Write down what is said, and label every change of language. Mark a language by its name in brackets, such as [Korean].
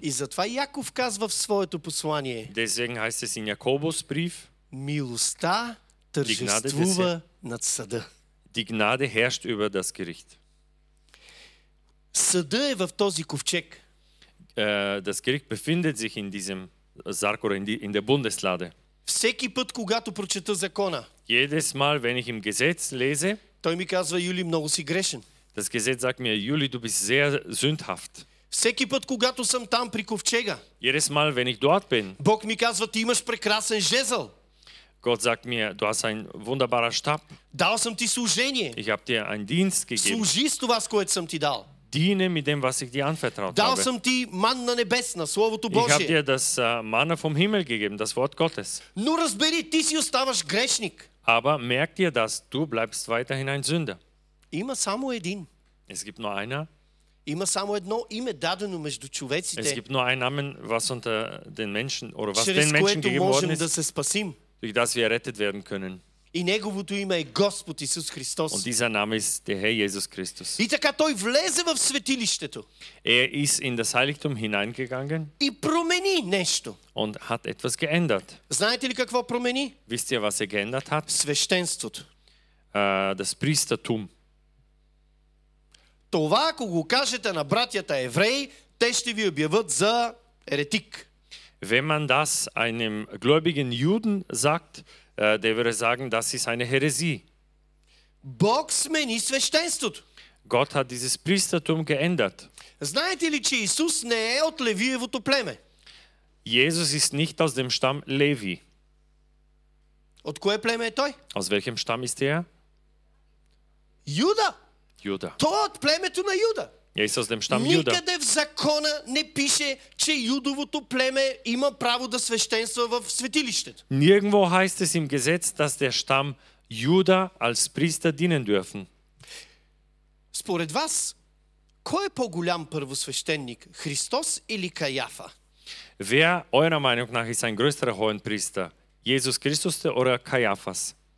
[Bulgarian] И затова Яков казва в своето послание. [German] Deswegen heißt es in Jakobus Brief. [Bulgarian] Милостта тържествува над съда. [German] Die Gnade herrscht über das Gericht. [Bulgarian] Съда е в този ковчег. [German] Das Gericht befindet sich in diesem Sarg oder in der Bundeslade. [Bulgarian] Всеки път, когато прочета закона, [German] jedes Mal, wenn ich im Gesetz lese, [Bulgarian] той ми казва, Юли, много си грешен. [German] Das Gesetz sagt mir, Juli, du bist sehr sündhaft. [Bulgarian] Всеки път, когато съм там при ковчега, [German] jedes Mal, wenn ich dort bin, [Bulgarian] Бог ми казва, ти имаш прекрасен жезъл. [German] Gott sagt mir, du hast ein wunderbarer Stab. [Bulgarian] Дал съм ти служение. [German] Ich habe dir einen Dienst gegeben. [Bulgarian] Служи с това, с което съм ти дал. [German] Diene mit dem, was ich dir anvertraut Dal habe. [Bulgarian] Съм ти манна небесна, Словото Божие. [German] Ich habe dir das Manna vom Himmel gegeben, das Wort Gottes. [Bulgarian] Но разбери, ти си оставаш грешник. [German] Aber merk dir das, du bleibst weiterhin ein Sünder. [Bulgarian] Има само един. [German] Es gibt nur einer. [Bulgarian] Има само едно име, дадено между човеците. [German] Es gibt nur einen Namen, was unter den Menschen oder was den Menschen gegeben worden ist. [Bulgarian] Да се спасим. [German] Durch das wir errettet werden können. [Bulgarian] И неговото име е Господ Исус Христос. [German] Und dieser Name ist der Herr Jesus Christus. [Bulgarian] И така той влезе в светилището. [German] Er ist in das Heiligtum hineingegangen. [Bulgarian] И промени нещо. [German] Und hat etwas geändert. [Bulgarian] Знаете ли какво промени? [German] Wisst ihr, was er geändert hat? [Bulgarian] Свещенството. [German] Das Priestertum. [Bulgarian] Това, ако го кажете на братята евреи, те ще ви обявят за еретик. [German] Wenn man das einem gläubigen Juden sagt, der würde sagen, das ist eine Heresie. [Bulgarian] Бог смени свещенството. [German] Gott hat dieses Priestertum geändert. [Bulgarian] Знаете ли, че Исус не е от Левиевото племе? [German] Jesus ist nicht aus dem Stamm Levi. [Bulgarian] От кое племе е той? [German] Aus welchem Stamm ist er? [Bulgarian] Юда. Юда. Той от племето на Юда. [German] Er ist aus dem Stamm Juda. [Bulgarian] Никъде в закона не пише, че юдовото племе има право да свещенства в светилището. [German] Nirgendwo heißt es im Gesetz, dass der Stamm Juda als Priester dienen dürfen. [Bulgarian] Според вас, кой е по-голям първосвещеник, Христос или Каяфа? [German] Wer eurer Meinung nach ist ein größerer Hohenpriester, Jesus Christus oder Kajafas?